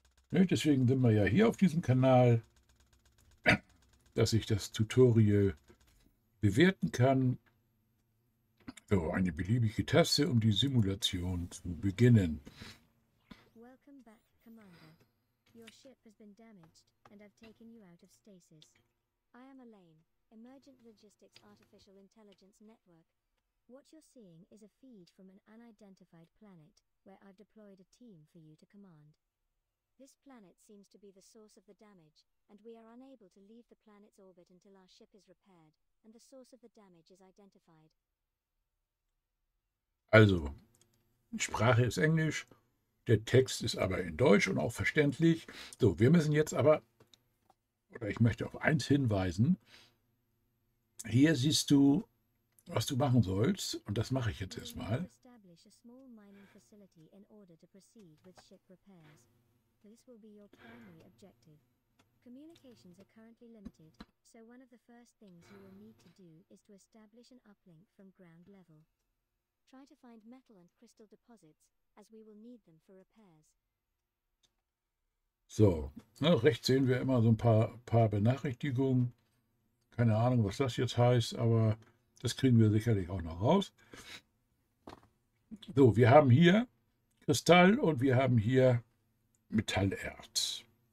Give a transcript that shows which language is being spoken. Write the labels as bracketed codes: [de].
[de] Deswegen sind wir ja hier auf diesem Kanal, dass ich das Tutorial bewerten kann. So, eine beliebige Taste, um die Simulation zu beginnen. [en] Welcome back, Commander. Your ship has been damaged and I've taken you out of stasis. I am Elaine, Emergent Logistics Artificial Intelligence Network. What you're seeing is a feed from an unidentified planet, where I've deployed a team for you to command. This planet seems to be the source of the damage, and we are unable to leave the planet's orbit until our ship is repaired and the source of the damage is identified. [de] Also, Sprache ist Englisch, der Text ist aber in Deutsch und auch verständlich. So, wir müssen jetzt aber, oder ich möchte auf eins hinweisen. Hier siehst du, was du machen sollst, und das mache ich jetzt erstmal. [en] Establish a small mining facility in order to proceed with ship repairs. This will be your primary objective. Communications are currently limited, so one of the first things you will need to do is to establish an uplink from ground level. Try to find metal and crystal deposits, as we will need them for repairs. [de] So, na, rechts sehen wir immer so ein paar Benachrichtigungen. Keine Ahnung, was das jetzt heißt, aber das kriegen wir sicherlich auch noch raus. So, wir haben hier Kristall und wir haben hier Metallerz.